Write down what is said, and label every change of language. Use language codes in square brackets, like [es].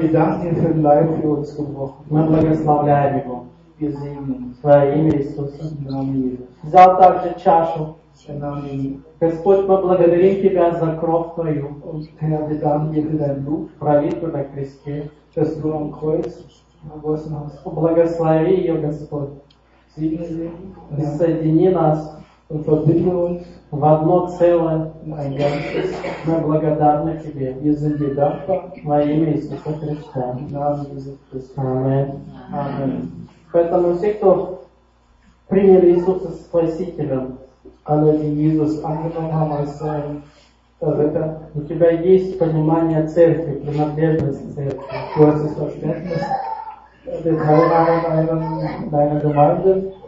[de] wir danken dir für den Leib für uns gebrochen. Wir segnen uns. In deinem Jesus. In deinem Jesus. Ich nahm auch die Chasse. In deinem Jesus. [ru] Господь, мы благодарим тебя за кровь твою. [de] Und Herr, wir danken dir für dein Blut. [ru] Пролитую на кресте. [de] Das du am Kreuz. [ru] Благослови ее, Господь. [de] Segne sie. [ru] И соедини нас. [de] Und verbinde uns [ru] в одно целое, [de] ein ganzes. [ru] Мы благодарны тебе. [de] Wir sind dir dankbar. [ru] Во имя Иисуса Христа. В имя Иисуса Христа. Аминь. Поэтому все, кто приняли Иисуса Спасителем, [de] alle, die Jesus angenommen haben als sein Retter, [ru] у тебя есть понимание церкви, принадлежность церкви. [de] Du hast das Verständnis der Teilnahme deiner Gemeinde.